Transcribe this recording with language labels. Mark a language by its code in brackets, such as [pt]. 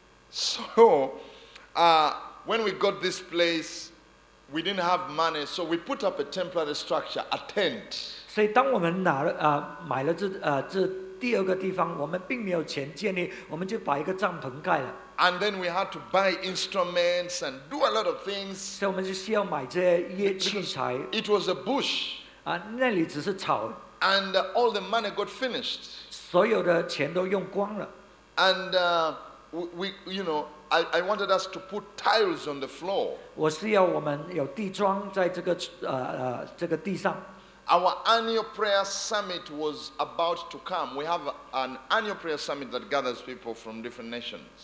[en] So, when we got this place, we didn't have money, so we put up a temporary structure, a tent. [zh] 所以当我们买了这第二个地方，我们并没有钱建立，我们就把一个帐篷盖了。 [en] And then we had to buy instruments and do a lot of things. [zh] 所以我们就需要买这些器材。 [en] It was a bush. [zh] 那里只是草。 [en] And all the money got finished. [zh] 所有的钱都用光了。 [en] And I wanted us to put tiles on the floor. [zh] 我是要我们有地砖在这个地上。 [en] Our annual prayer summit was about to come. We have an annual prayer summit that gathers people from different nations.